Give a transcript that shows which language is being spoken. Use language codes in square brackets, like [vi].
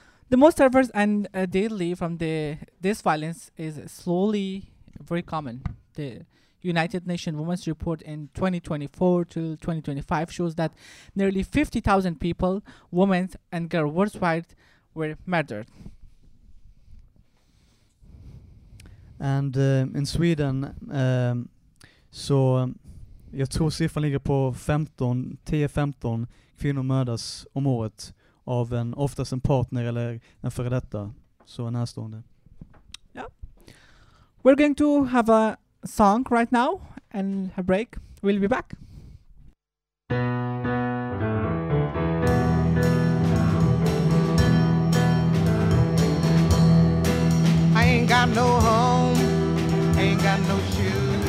[en] The most diverse and deadly from this violence is slowly very common. The United Nations Women's Report in 2024 to 2025 shows that nearly 50,000 people, women and girls worldwide, were murdered. And in Sweden, [sv] så jag tror siffran ligger på 10-15 kvinnor mördas om året av en oftast en partner eller en före detta, så en närstående. Ja. Yeah. [en] We're going to have a song right now and a break. We'll be back. Got no home, ain't got no shoes.